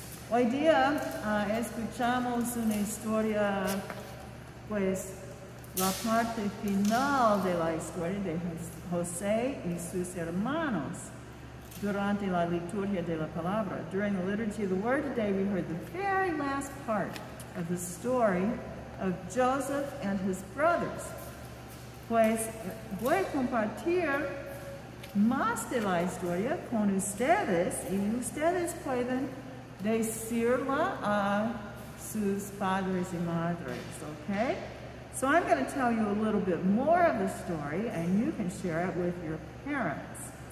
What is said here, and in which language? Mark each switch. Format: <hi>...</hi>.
<es>Hoy día escuchamos una historia, pues, la parte final de la historia de José y sus hermanos. Durante la liturgia de la palabra.</es> <en>During the liturgy of the word today, we heard the very last part of the story of Joseph and his brothers.</en> <es>Pues voy a compartir más de la historia con ustedes y ustedes pueden decirla a sus padres y madres, okay?</es> <en>So I'm going to tell you a little bit more of the story and you can share it with your parents.</en>